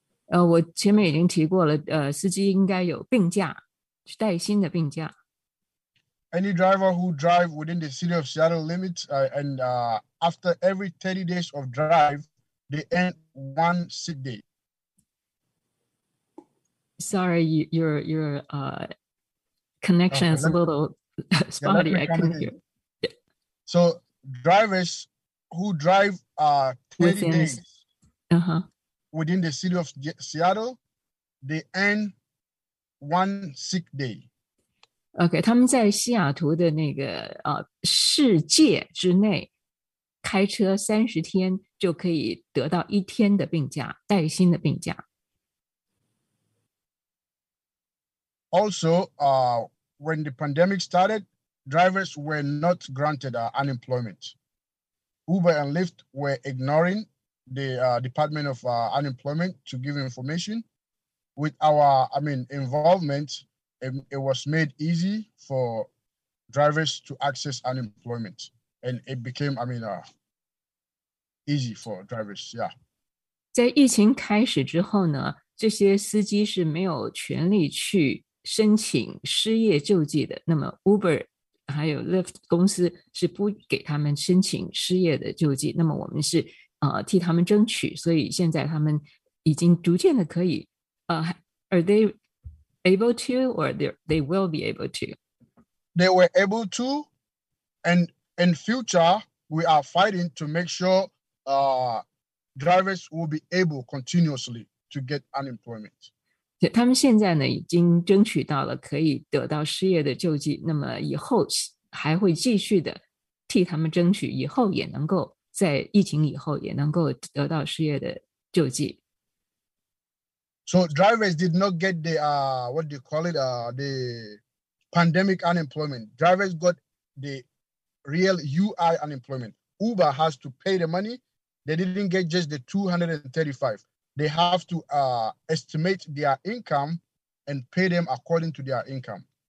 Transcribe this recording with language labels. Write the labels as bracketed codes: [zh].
[zh] 我前面已经提过了，司机应该有病假，带薪的病假。 [en] Any driver who drive within the city of Seattle limits and after every 30 days of drive, they earn one sick day. Sorry, you're connection is a little spotty. I can hear. So drivers who drive 30 days within the city of Seattle, they earn one sick day. [zh] Okay, 他们在西雅图的那个世界之内开车30天就可以得到一天的病假，带薪的病假。 [en] Also, when the pandemic started, drivers were not granted unemployment. Uber and Lyft were ignoring the Department of Unemployment to give information. With our, involvement, it was made easy for drivers to access unemployment. And it became, easy for drivers, yeah. [zh] 在疫情开始之后呢，这些司机是没有权利去申请失业救济的。那么 Uber 还有 Lyft 公司是不给他们申请失业的救济。那么我们是替他们争取，所以现在他们已经逐渐的可以。 [en] Are they able to, or they will be able to? They were able to, and in future we are fighting to make sure. Drivers will be able continuously to get unemployment. [zh] 他们现在呢已经争取到了可以得到失业的救济，那么以后还会继续的替他们争取，以后也能够在疫情以后也能够得到失业的救济。 [en] So drivers did not get the the pandemic unemployment. Drivers got the real UI unemployment. Uber has to pay the money. They didn't get just the 235. They have to estimate their income and pay them according to their income.